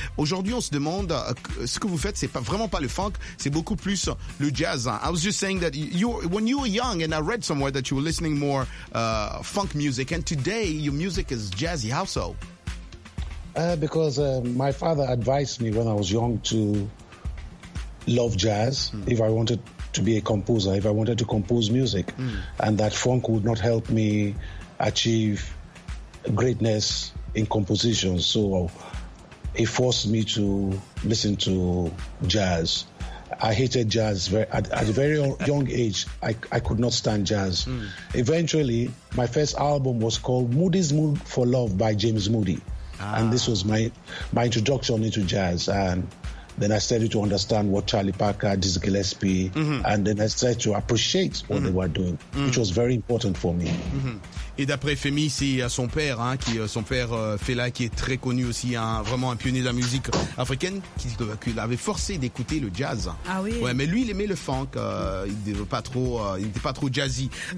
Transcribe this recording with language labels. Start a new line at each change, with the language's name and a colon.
French: Aujourd'hui, on se demande ce que vous faites, c'est pas vraiment pas le funk, c'est beaucoup plus le jazz.
English: I was just saying that you, when you were young, and I read somewhere that you were listening more funk music, and today your music is jazzy. How so? Because my father advised me when I was young to love jazz if I wanted to be a composer, if I wanted to compose music, and that funk would not help me achieve greatness in composition. So it forced me to listen to jazz. I hated jazz at a very young age. I could not stand jazz. Eventually, my first album was called Moody's Mood for Love by James Moody. And this was my introduction into jazz. And then I started to understand what Charlie Parker, Dizzy Gillespie, and then I started to appreciate what they were doing, which was very important for me.
French: Et d'après Femi, c'est son père, hein, qui son père Fela, qui est très connu aussi, hein, vraiment un pionnier de la musique africaine, qui l'avait forcé d'écouter le jazz. Ah oui. Ouais, mais lui, il aimait le funk. Il n'était pas trop, jazzy.